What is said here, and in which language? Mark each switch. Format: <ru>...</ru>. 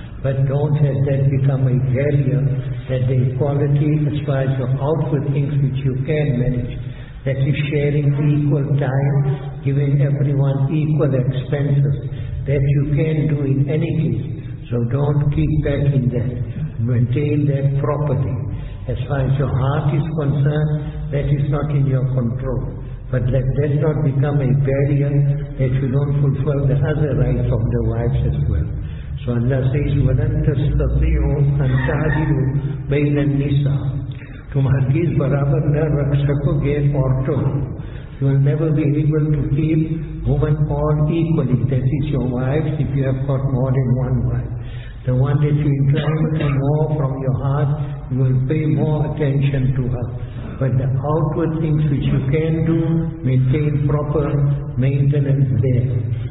<en>But don't let that become a barrier, that the equality as far as your outward things which you can manage, that is sharing equal time, giving everyone equal expenses, that you can do in any case. So don't keep back in that. Maintain that property. As far as your heart is concerned, that is not in your control. But let that not become a barrier that you don't fulfill the other rights of the wives as well. So Allah says,</en> <ar>وَلَنْتَ سْتَطِيعُوا أَنْ تَعْدِلُوا بَيْنَ النِّسَاءِ.</ar> <ur>تم ہرگز برابر نہ رکھ سکو گے عورتوں.</ur> <en>You will never be able to keep women all equally. That is your wives if you have got more than one wife. The one that you incline more from your heart, you will pay more attention to her. But the outward things which you can do, maintain proper maintenance there.</en>